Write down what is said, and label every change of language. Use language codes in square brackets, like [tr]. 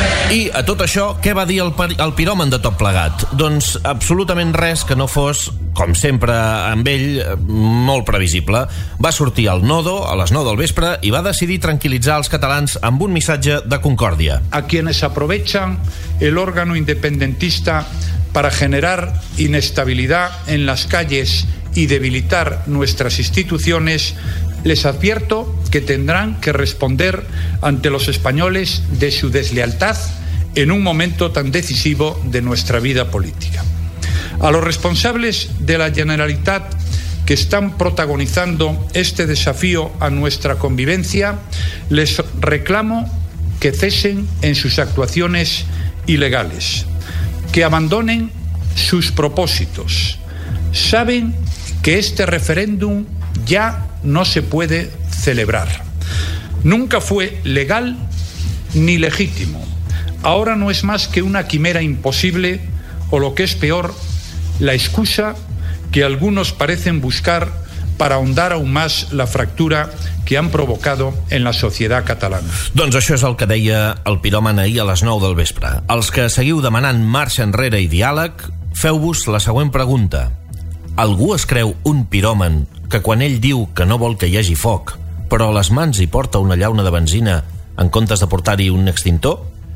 [ca] I a tot això, què va dir el piròman de tot plegat? Doncs absolutament res que no fos, com sempre amb ell, molt previsible. Va sortir al Nodo, a les 9 del vespre, i va decidir tranquil·litzar els catalans amb un missatge de concòrdia. [es] A quienes aprovechan el órgano independentista para generar inestabilidad en las calles y debilitar nuestras instituciones, les advierto que tendrán que responder ante los españoles de su deslealtad en un momento tan decisivo de nuestra vida política. A los responsables de la Generalitat que están protagonizando este desafío a nuestra convivencia, les reclamo que cesen en sus actuaciones ilegales, que abandonen sus propósitos. Saben que este referéndum ya no se puede celebrar. Nunca fue legal ni legítimo. Ahora no es más que una quimera imposible, o lo que es peor, la excusa que algunos parecen buscar para ahondar aún más la fractura que han provocado en la sociedad catalana. [ca] Doncs això és el que deia el piròman ahir a les 9 del vespre. Els que seguiu demanant marxa enrere i diàleg, feu-vos la següent pregunta. Algú es creu un piròman que quan ell diu que no vol que hi hagi foc, però a les mans hi porta una llauna de benzina en comptes de portar-hi un extintor?